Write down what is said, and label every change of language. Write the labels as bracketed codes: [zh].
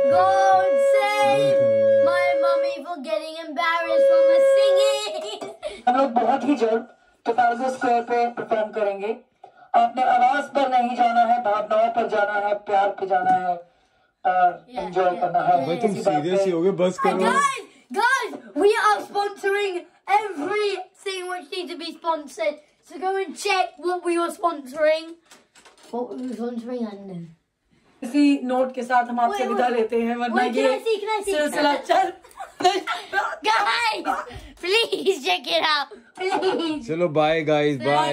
[en] God save my mummy for getting embarrassed from the singing. [hi] हम लोग बहुत ही जल्द 2000 स्क्वायर पे परफॉर्म करेंगे। आपने आवाज पर नहीं जाना है, भावनाओं पर जाना है, प्यार पे जाना है और एंजॉय करना है। भाई तुम सीरियस ही होगे, बस करो। [en] Guys, we are sponsoring everything which needs to be sponsored. So go and check what we were sponsoring. What we were sponsoring, I don't know. [hi] इसी नोट के साथ हम आपसे विदा लेते हैं, वरना ये सिलसिला चल। [en] Guys, please check it out. Please. [hi] चलो [en] bye guys, bye.